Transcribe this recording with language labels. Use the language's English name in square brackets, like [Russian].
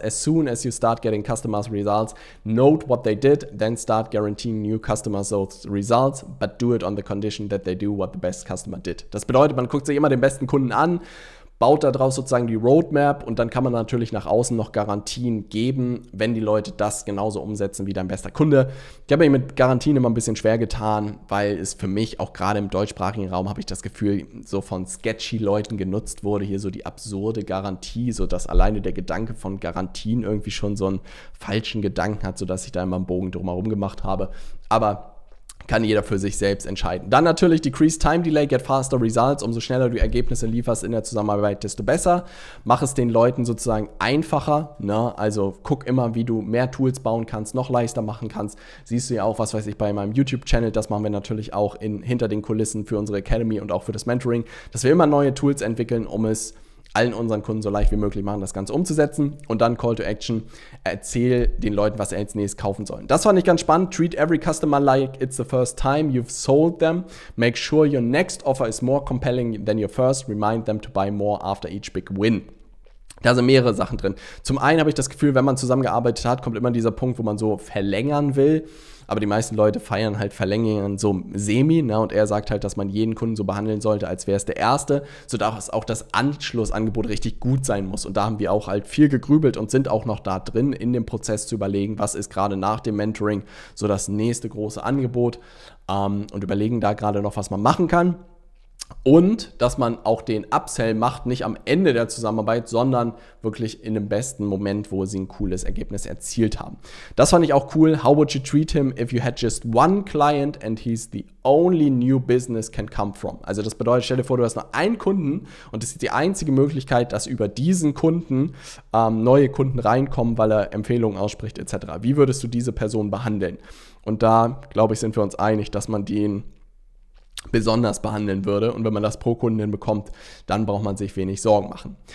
[English] As soon as you start getting customers results, note what they did, then start guaranteeing new customers those results, but do it on the condition that they do what the best customer did. [German] Das bedeutet, man guckt sich immer den besten Kunden an, baut daraus sozusagen die Roadmap und dann kann man natürlich nach außen noch Garantien geben, wenn die Leute das genauso umsetzen wie dein bester Kunde. Ich habe mich mit Garantien immer ein bisschen schwer getan, weil es für mich auch gerade im deutschsprachigen Raum, habe ich das Gefühl, so von sketchy Leuten genutzt wurde, hier so die absurde Garantie, sodass alleine der Gedanke von Garantien irgendwie schon so einen falschen Gedanken hat, sodass ich da immer einen Bogen drumherum gemacht habe. Aber kann jeder für sich selbst entscheiden. Dann natürlich [English] decrease time delay, get faster results. [German] Umso schneller du Ergebnisse lieferst in der Zusammenarbeit, desto besser. Mach es den Leuten sozusagen einfacher. Ne? Also guck immer, wie du mehr Tools bauen kannst, noch leichter machen kannst. Siehst du ja auch, was weiß ich, bei meinem YouTube-Channel. Das machen wir natürlich auch hinter den Kulissen für unsere Academy und auch für das Mentoring, dass wir immer neue Tools entwickeln, um es allen unseren Kunden so leicht wie möglich machen, das Ganze umzusetzen. Und dann Call to Action, erzähl den Leuten, was sie als nächstes kaufen sollen. Das fand ich ganz spannend. [English] Treat every customer like it's the first time you've sold them. Make sure your next offer is more compelling than your first. Remind them to buy more after each big win. [German] Da sind mehrere Sachen drin. Zum einen habe ich das Gefühl, wenn man zusammengearbeitet hat, kommt immer dieser Punkt, wo man so verlängern will. Aber die meisten Leute feiern halt Verlängerungen so semi, ne? Und er sagt halt, dass man jeden Kunden so behandeln sollte, als wäre es der erste, sodass auch das Anschlussangebot richtig gut sein muss. Und da haben wir auch halt viel gegrübelt und sind auch noch da drin, in dem Prozess zu überlegen, was ist gerade nach dem Mentoring so das nächste große Angebot, und überlegen da gerade noch, was man machen kann. Und dass man auch den Upsell macht, nicht am Ende der Zusammenarbeit, sondern wirklich in dem besten Moment, wo sie ein cooles Ergebnis erzielt haben. Das fand ich auch cool. [English] How would you treat him if you had just one client and he's the only new business can come from? [German] Also das bedeutet, stell dir vor, du hast nur einen Kunden und das ist die einzige Möglichkeit, dass über diesen Kunden neue Kunden reinkommen, weil er Empfehlungen ausspricht etc. Wie würdest du diese Person behandeln? Und da, glaube ich, sind wir uns einig, dass man den besonders behandeln würde, und wenn man das pro Kunden hinbekommt, dann braucht man sich wenig Sorgen machen.